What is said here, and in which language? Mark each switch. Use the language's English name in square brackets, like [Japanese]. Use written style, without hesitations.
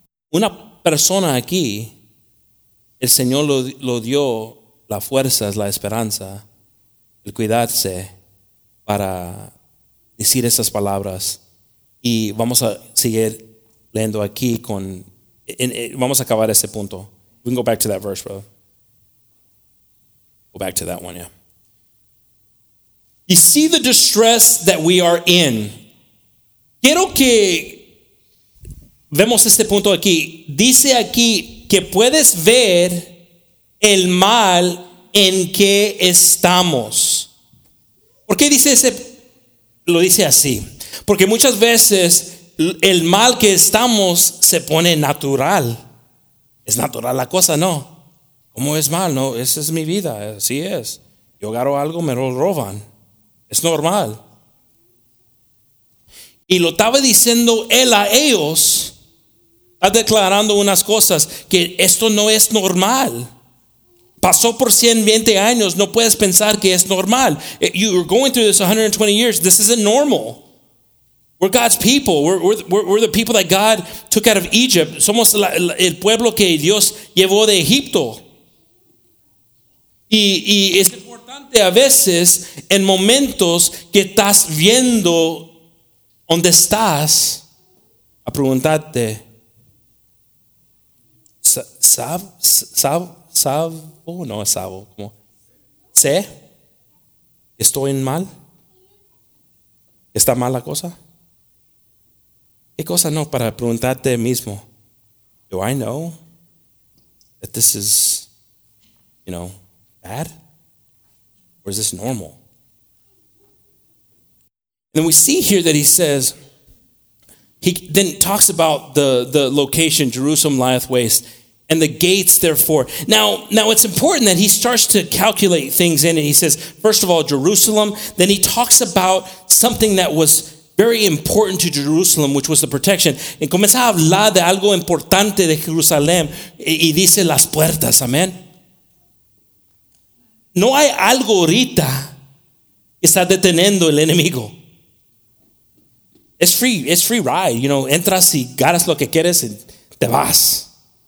[Spanish] Una persona aquí, el Señor lo dio las fuerzas, la esperanza, el cuidarse para decir esas palabras. Y vamos a seguir leyendo aquí con, vamos a acabar ese punto. [English] We can go back to that verse, brother. Go back to that one, yeah. You see the distress that we are in. [Spanish] Quiero que vemos este punto aquí. Dice aquí que puedes ver el mal en que estamos. ¿Por qué dice ese? Lo dice así. Porque muchas veces el mal que estamos se pone natural. Es natural la cosa, ¿no? ¿Cómo es mal? No, esa es mi vida. Así es. Yo agarro algo, me lo roban. Es normal. Y lo estaba diciendo él a ellos. Está declarando unas cosas. Que esto no es normal. Pasó por 120 años. No puedes pensar que es normal. [English] You're going through this 120 years. This isn't normal. We're God's people. We're the people that God took out of Egypt. [Spanish] Somos el pueblo que Dios llevó de Egipto. Y es importante a veces, en momentos que estás viendo dónde estás, a preguntarte, ¿sé que estoy en mal? ¿Está mal la cosa? ¿Qué cosa no? Para preguntarte mismo, [English] do I know that this is, you know, bad? Or is this normal? And we see here that he says, he then talks about the location, Jerusalem lieth waste, and the gates therefore. Now it's important that he starts to calculate things in, and he says, first of all, Jerusalem, then he talks about something that was very important to Jerusalem, which was the protection. [Spanish] Y comienza a hablar de algo importante de Jerusalén y dice las puertas, amén. No hay algo ahorita que está deteniendo el enemigo. [English] It's free ride, you know, [Spanish] entras y ganas lo que quieres y te vas.